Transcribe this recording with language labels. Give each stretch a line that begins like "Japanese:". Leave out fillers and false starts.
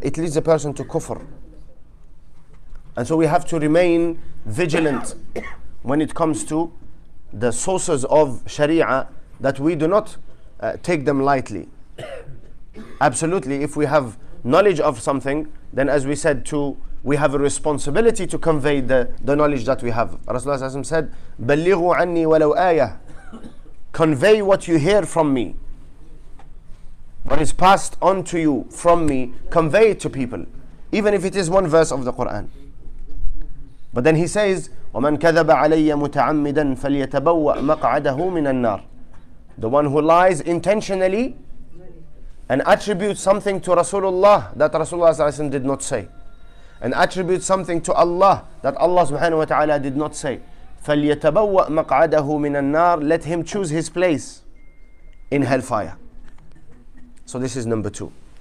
English: It leads a person to kufr. And so we have to remain vigilant when it comes to the sources of sharia, that we do not take them lightly. Absolutely, if we have knowledge of something, then as we said to, we have a responsibility to convey the knowledge that we have. Rasulullah said,
Arabic: بَلِّغُوا عَنِّي وَلَوْ آيَةٌ.
English: Convey what you hear from me. What is passed on to you from me, convey it to people. Even if it is one verse of the Quran. But then he says,
Arabic: وَمَنْ كَذَبَ عَلَيَّ مُتَعَمِّدًا فَلْيَتَبَوَّأْ مَقْعَدَهُ مِنَ النَّارِ.
English: The one who lies intentionally and attributes something to Rasulullah that Rasulullah did not say, and attributes something to Allah that Allah subhanahu wa ta'ala did not say,
Arabic: فَلْيَتَبَوَّأْ مَقْعَدَهُ مِنَ النَّارِ.
English: Let him choose his place in hellfire. So this is number two.